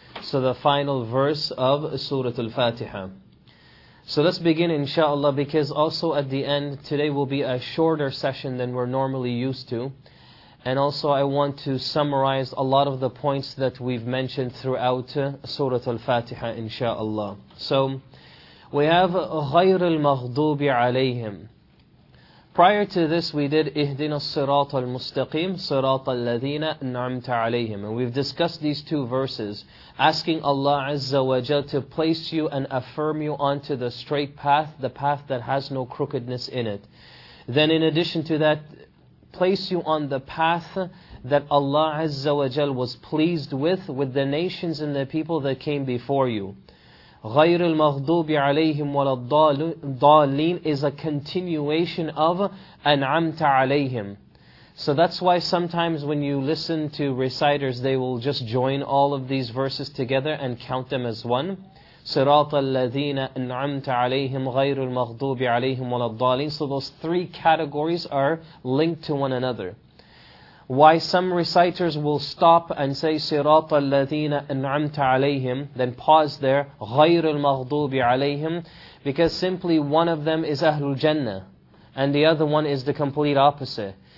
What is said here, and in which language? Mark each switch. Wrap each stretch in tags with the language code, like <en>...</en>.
<en>So the final verse of Surah Al-Fatiha. So let's begin insha'Allah, because also at the end, today will be a shorter session than we're normally used to. And also I want to summarize a lot of the points that we've mentioned throughout Surah Al-Fatiha insha'Allah. So we have</en> <ar>غير المغضوب عليهم.</ar> <en>Prior to this, we did</en> <ar>اهدنا الصراط المستقيم صراط الذين أنعمت عليهم.</ar> <en>And we've discussed these two verses, asking Allah Azza wa Jal to place you and affirm you onto the straight path, the path that has no crookedness in it. Then in addition to that, place you on the path that Allah Azza wa Jal was pleased with the nations and the people that came before you.</en> <ar>غير المغضوب عليهم ولا الضالين</ar> <en>is a continuation of</en> <ar>أنعمت عليهم.</ar> <en>So that's why sometimes when you listen to reciters, they will just join all of these verses together and count them as one.</en> <ar>صراط الذين أنعمت عليهم غير المغضوب عليهم ولا الضالين.</ar> <en>So those three categories are linked to one another. Why some reciters will stop and say</en> <ar>صراط الذين أنعمت عليهم,</ar> <en>then pause there,</en> <ar>غير المغضوب عليهم,</ar> <en>because simply one of them is أهل الجنة and the other one is the complete opposite.</en>